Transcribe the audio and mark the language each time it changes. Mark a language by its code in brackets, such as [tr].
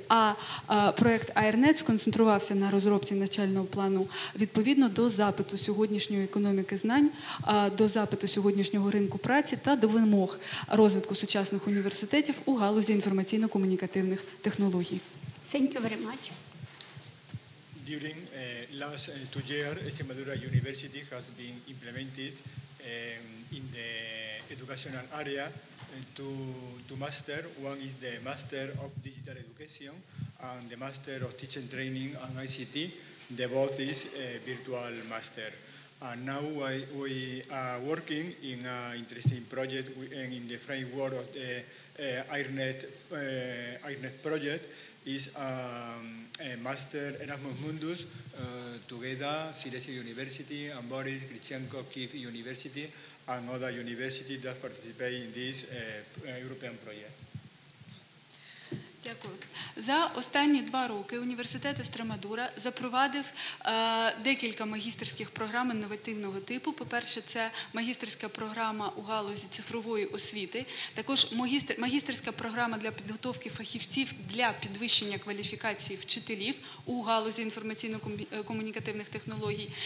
[uk] А проєкт AERNET сконцентрувався на розробці навчального плану відповідно до запиту сьогоднішньої економіки знань, до запиту сьогоднішнього ринку праці та до вимог розвитку сучасних університетів у галузі інформаційно-комунікативних технологій. [en] Thank you very much. During last 2 years, Extremadura University has been implemented in the educational area to master. One is the Master of Digital Education and the Master of Teaching Training and ICT. The both is a virtual master. And now we are working in an interesting project in the framework of the AERNET project is a master Erasmus Mundus together Silesia University and Boris Grishenko-Kyiv University and other universities that participate in this European project. [uk] Дякую. За останні два роки університет Естремадура запровадив декілька магістерських програм інновативного типу. По-перше, це магістерська програма у галузі цифрової освіти. Також магістерська програма для підготовки фахівців для підвищення кваліфікації вчителів у галузі інформаційно-комунікативних технологій.